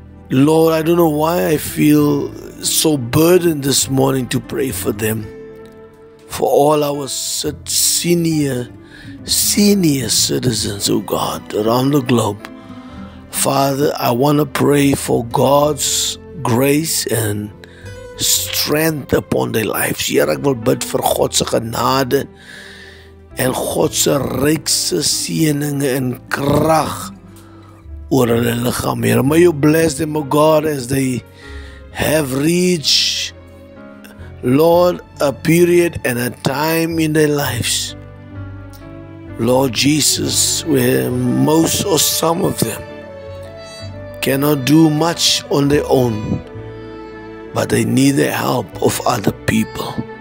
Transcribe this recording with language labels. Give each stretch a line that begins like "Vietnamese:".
English: Lord, I don't know why I feel so burdened this morning to pray for them. For all our senior citizens, oh God, around the globe. Father, I want to pray for God's grace and strength upon their lives.
Afrikaans: Here, ek wil bid vir God se genade en God se rykse seëninge en krag oor hulle liggaam.
English: Here, may you bless them, oh God, as they have reached, Lord, a period and a time in their lives, Lord Jesus, where most or some of them cannot do much on their own, but they need the help of other people.